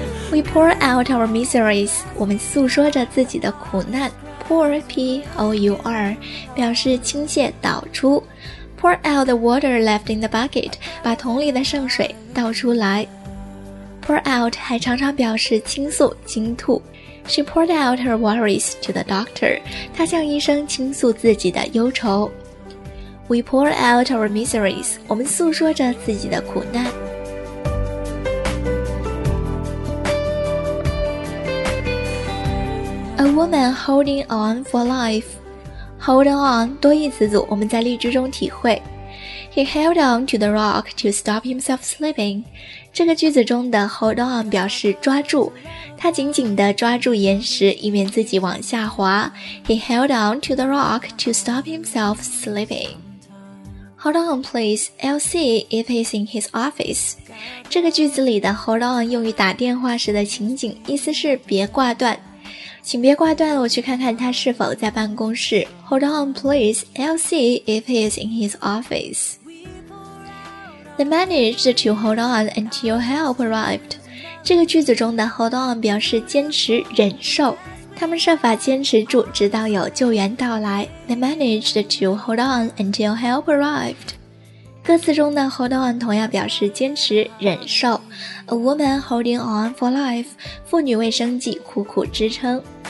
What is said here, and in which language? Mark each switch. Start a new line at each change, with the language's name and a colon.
English: We pour out our miseries，
Chinese: 我们诉说着自己的苦难。 Pour, P-O-U-R， 表示倾泻、倒出。
English: Pour out the water left in the bucket，
Chinese: 把桶里的剩水倒出来。 Pour out 还常常表示倾诉、倾吐。
English: She poured out her worries to the doctor，
Chinese: 她向医生倾诉自己的忧愁。
English: We pour out our miseries，
Chinese: 我们诉说着自己的苦难。
English: A woman holding on for life，
Chinese: hold on 多义词组，我们在例句中体会。
English: He held on to the rock to stop himself slipping，
Chinese: 这个句子中的 hold on 表示抓住，他紧紧地抓住岩石以免自己往下滑。
English: He held on to the rock to stop himself slipping。 Hold on please， I'll see if he's in his office，
Chinese: 这个句子里的 hold on 用于打电话时的情景，意思是别挂断，请别挂断了，我去看看他是否在办公室。
English: Hold on please, I'll see if he's in his office。 They managed to hold on until help arrived，
Chinese: 这个句子中的 hold on 表示坚持、忍受，他们设法坚持住直到有救援到来。
English: They managed to hold on until help arrived。
Chinese: 歌词中的 hold on 同样表示坚持、忍受。
English: A woman holding on for life，
Chinese: 妇女为生计苦苦支撑。